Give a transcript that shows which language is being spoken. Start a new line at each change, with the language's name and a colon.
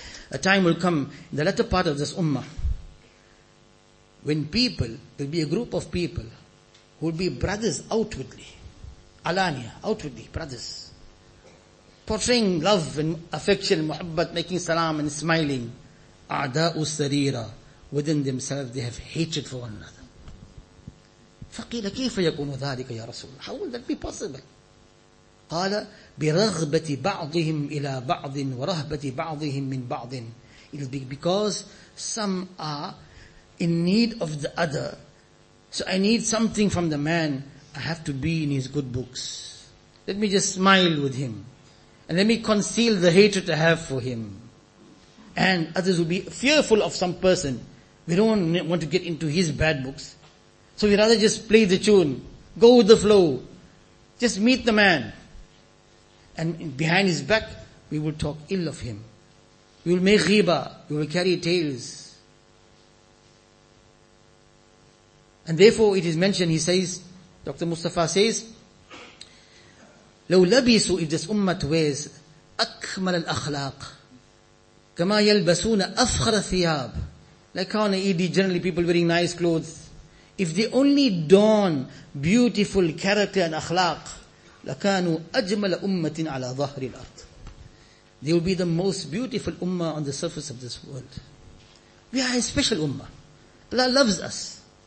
English: A time will come in the latter part of this ummah when people, there'll be a group of people who will be brothers outwardly, alaniya, outwardly brothers, portraying love and affection, muhabbat, making salam and smiling.
Arabic: A'da'u sarira.
English: Within themselves, they have hatred for one another.
Arabic: فَقِيلَ كَيْفَ يَكُونُ ذَلِكَ يَا رَسُولُ.
English: How will that be possible?
Arabic: قال برغبة بعضهم إلى بعض ورهبة بعضهم من بعض.
English: It will be because some are in need of the other. So I need something from the man. I have to be in his good books. Let me just smile with him. And let me conceal the hatred I have for him. And others will be fearful of some person. We don't want to get into his bad books. So we rather just play the tune. Go with the flow. Just meet the man. And behind his back, we will talk ill of him. We will make ghibah. We will carry tales. And therefore it is mentioned, he says, Dr. Mustafa says,
Arabic: لو لبسوا
English: if this ummah wears
Arabic: أكمل الأخلاق كما يلبسون أفخر الثياب.
English: Like how on the ED, generally people wearing nice clothes. If they only don beautiful character and akhlaq,
Arabic: لَكَانُوا أَجْمَلَ أُمَّةٍ عَلَى ظَهْرِ الْأَرْضِ.
English: They will be the most beautiful ummah on the surface of this world. We are a special ummah. Allah loves us.